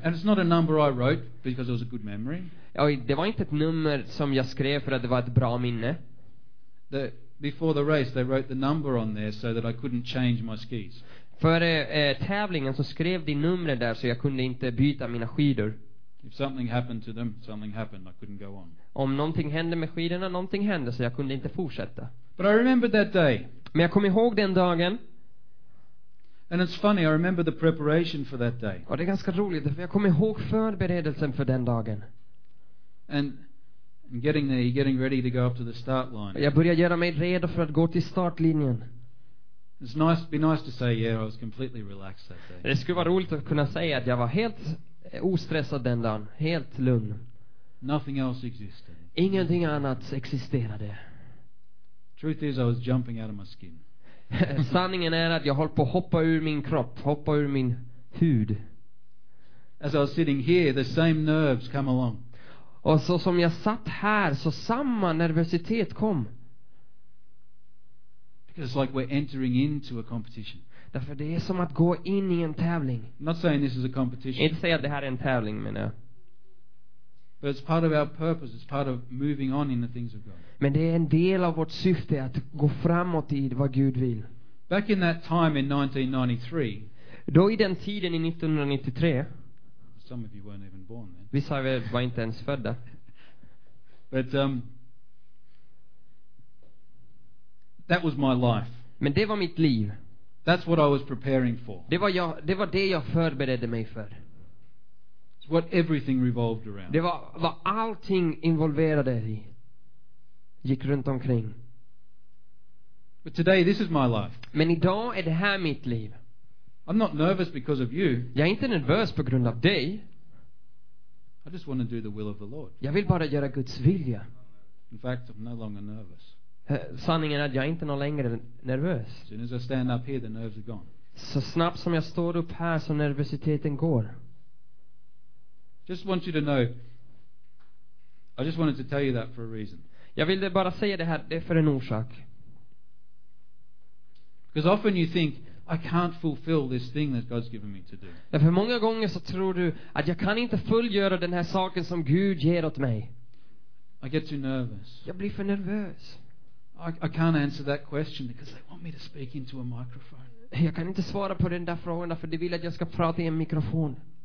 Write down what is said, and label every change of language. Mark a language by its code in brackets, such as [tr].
[en] And it's not a number I wrote because it was a good memory. [sv] Oj, det var inte ett nummer som jag skrev för att det var ett bra minne. [en] The before the race they wrote the number on there so that I couldn't change my skis. [sv] För tävlingen så skrev de numret där så jag kunde inte byta mina skidor. [en] If something happened to them, something happened. I couldn't go on. [sv] Om någonting hände med skidorna, någonting hände så jag kunde inte fortsätta. [en] But I remember that day. [sv] Men jag kommer ihåg den dagen. [en] And it's funny, I remember the preparation for that day. [sv] Och det är ganska roligt för jag kommer ihåg förberedelsen för den dagen. [en] And getting there, getting ready to go up to the start line. [sv] Jag började göra mig redo för att gå till startlinjen. [en] It's nice, be nice to say, yeah, I was completely relaxed that day. [sv] Det skulle vara roligt att kunna säga att jag var helt ostressad den dagen, helt lugn. [en] Nothing else existed. [sv] Ingenting annat existerade. [en] Truth is, I was jumping out of my skin. [sv] Sanningen är att jag höll på att hoppa ur min kropp, hoppa ur min hud. [en] As I was sitting here, the same nerves come along. [sv] Och så som jag satt här, så samma nervositet kom. [en] Because it's like we're entering into a competition. [sv] Därför det är som att gå in i en tävling. [en] I'm not saying this is a competition. [sv] Inte säga att det här är en tävling, men jag. [en] But it's part of our purpose. It's part of moving on in the things of God. [sv] Men det är en del av vårt syfte att gå framåt i vad Gud vill. [en] Back in that time in 1993. [sv] Då i den tiden i 1993. [en] Some of you weren't even born then. [sv] Vissa av er var inte ens födda. [en] But that was my life. [sv] Men det var mitt liv. [en] That's what I was preparing for. [sv] Det var det jag förberedde mig för. [en] It's what everything revolved around. [sv] Det var vad allting involverade i. Gick runt omkring. [en] But today this is my life. [sv] Men idag är det här mitt liv. [en] I'm not nervous because of you. [sv] Jag är inte nervös på grund av dig. [en] I just want to do the will of the Lord. [sv] Jag vill bara göra Guds vilja. [en] In fact, I'm no longer nervous. [sv] Sanningen är att jag inte är längre nervös. [en] As soon as I stand up here, the nerves are gone. [sv] Så snabbt som jag står upp här så nervositeten går. [en] Just want you to know. I just wanted to tell you that for a reason. [sv] Jag ville bara säga det här, det är för en orsak. [en] Because often you think I can't fulfill this thing that God's given me to do. [sv] Därför många gånger så tror du att jag kan inte fullgöra den här saken som Gud ger åt mig. [en] I get too nervous. [sv] Jag blir för nervös. [en] I can't answer that question because they want me to speak into a microphone. [sv] Jag kan inte svara på den där frågan för de vill att jag ska prata i en mikrofon.